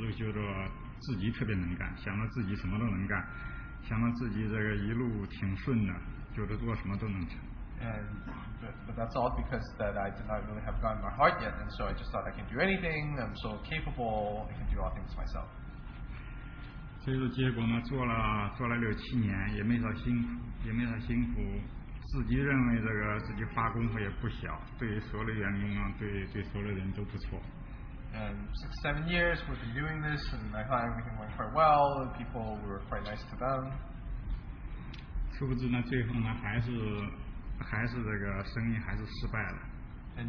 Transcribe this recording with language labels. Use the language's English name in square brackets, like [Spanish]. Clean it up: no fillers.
[Chinese] 当时这些动机不管怎么说，因为当时没有神在心里面，一直都觉得自己特别能干，想到自己什么都能干。想到自己这个一路挺顺的，觉得做什么都能成。 [English] But that's all because that I did not really have God in my heart yet, and so I just thought I can do anything, I'm so capable, I can do all things myself. [Chinese] 所以结果呢，做了六七年，也没少辛苦，自己认为这个自己花功夫也不小，对所有的员工啊，对所有的人都不错。 [English] 6-7 years, we've been doing this, and I thought everything went quite well, and people were quite nice to them. [Chinese] 殊不知呢，最后呢，还是这个生意还是失败了。 [English] And